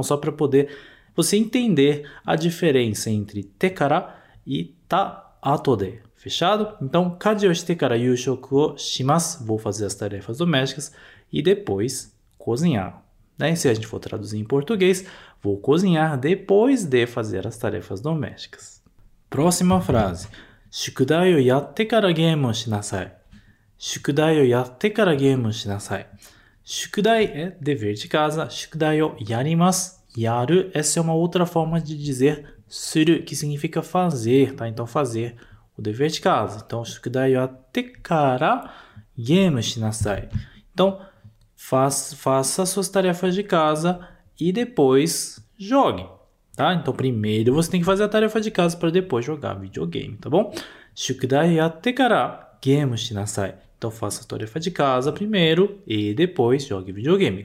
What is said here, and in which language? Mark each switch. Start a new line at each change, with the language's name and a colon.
Portuguese: Só para poder você entender a diferença entre te kara e ta atode, fechado? Então,
Japanese: kaji o shite kara yūshoku o shimasu,
Portuguese: vou fazer as tarefas domésticas e depois cozinhar, né? Se a gente for traduzir em português, vou cozinhar depois de fazer as tarefas domésticas. Próxima frase.
Japanese: 宿題 をやってからゲームをしなさい。宿題をやってからゲームをしなさい。
Portuguese: 宿題 é dever de casa.
Japanese: 宿題をやります。やる。
Portuguese: Essa é uma outra forma de dizer する, que significa fazer, tá? Então, fazer o dever de casa.
Japanese: Então, 宿題をやってからゲームしなさい。
Portuguese: Então, faça suas tarefas de casa e depois jogue. Tá? Então, primeiro você tem que fazer a tarefa de casa para depois jogar videogame, tá bom?
Japanese: Shukudai yatte kara game shinasai.
Portuguese: Então, faça a tarefa de casa primeiro e depois jogue videogame.